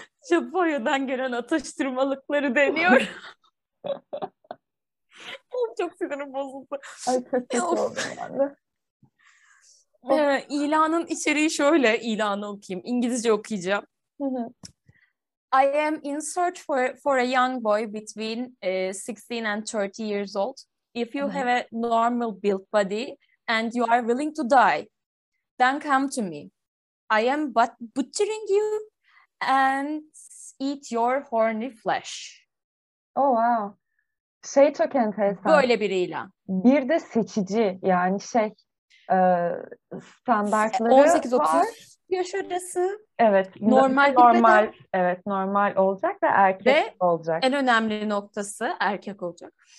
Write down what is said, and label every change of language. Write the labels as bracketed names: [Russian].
[Turkish] Japonya'dan gelen atıştırmalıkları deniyor. Çok sinirim bozuldu. Ay kötü oldu yani. İlanın içeriği şöyle, ilanı okuyayım. İngilizce okuyacağım. [English] I am in search for a young boy between 16 and 30 years old. If you have a normal built body and you are willing to die, then come to me. I am butchering you and eat your horny flesh. Oh wow. [Turkish] Şey çok enteresan. Böyle bir ilan. Bir de seçici yani şey standartları 18-30 var. Yaş arası. Evet. Normal bir beden. Evet, normal olacak ve erkek ve olacak. En önemli noktası erkek olacak.